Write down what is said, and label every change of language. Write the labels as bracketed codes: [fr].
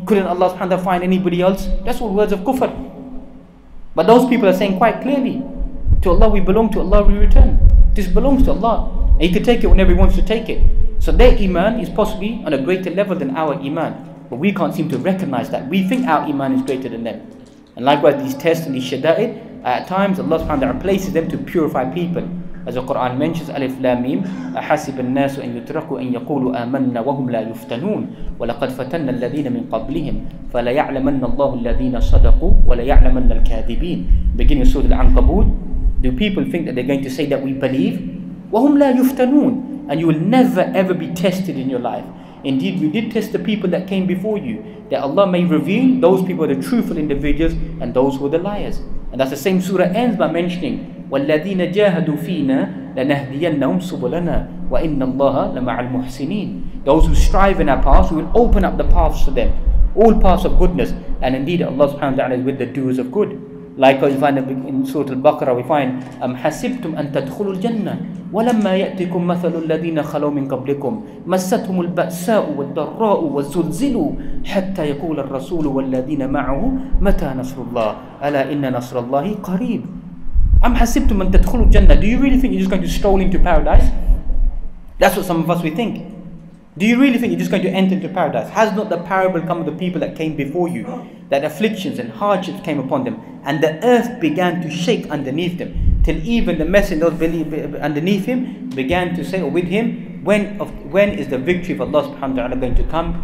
[en] Couldn't Allah subhanahu wa ta'ala find anybody else? That's all words of kufr. But those people are saying quite clearly, to Allah we belong, to Allah we return. This belongs to Allah. And He can take it whenever He wants to take it. So their iman is possibly on a greater level than our iman. But we can't seem to recognize that. We think our iman is greater than them. And likewise, these tests and these shada'id, at times Allah subhanahu wa ta'ala places them to purify people. As the Quran mentions, [ar] Alif Lam Mim, أَحَسِبَ النَّاسُ أَن يُتْرَكُوا أَن يَقُولُوا آمَنَّا وَهُمْ لَا يُفْتَنُونَ وَلَقَدْ فَتَنَّا الَّذِينَ مِنْ قَبْلِهِمْ فَلَيَعْلَمَنَّ اللَّهُ الَّذِينَ صَدَقُوا وَلَيَعْلَمَنَّ الْكَاذِبِينَ. [en] Beginning of Surah Al-Ankabut, do people think that they're going to say that we believe? [ar] وَهُمْ لَا يُفْتَنُونَ. [en] And you will never ever be tested in your life. Indeed, we did test the people that came before you, that Allah may reveal those people the truthful individuals and those who are the liars. And that's the same surah ends by mentioning, [ar] وَالَّذِينَ جَاهَدُوا فِينَا لَنَهْدِيَنَّهُمْ سُبُلَنَا وَإِنَّ اللَّهَ لَمَعَ الْمُحْسِنِينَ. [en] Those who strive in our paths, we will open up the paths to them, all paths of goodness. And indeed, Allah subhanahu wa ta'ala is with the doers of good. Like we find in Surah Al-Baqarah, we find, [ar] أَمْ حَسِبْتُمْ أَن تَدْخُلُوا الْجَنَّةِ وَلَمَّا يَأْتِكُمْ مَثَلُ الَّذِينَ خَلَوْا مِنْ قَبْلِكُمْ مَسَّتْهُمُ الْبَأْسَاءُ وَالْضَرَّاءُ وَالزُّلْزِلُوا حَتَّى يَقُولَ الرَّسُولُ وَالَّذِينَ مَعَهُ مَتَى نَصْرُ اللَّهِ أَلَا إِنَّ نَصْرَ اللَّهِ قَرِيبٌ. أَمْ حَسِبْتُمْ أَن تَدْخُلُوا الْجَنَّةِ. [en] Do you really think you're just going to stroll into paradise? That's what some of us we think. Do you really think you're just going to enter into paradise? Has not the parable come of the people that came before you, that afflictions and hardships came upon them, and the earth began to shake underneath them, till even the messenger underneath him began to say with him, when is the victory of Allah subhanahu wa ta'ala going to come?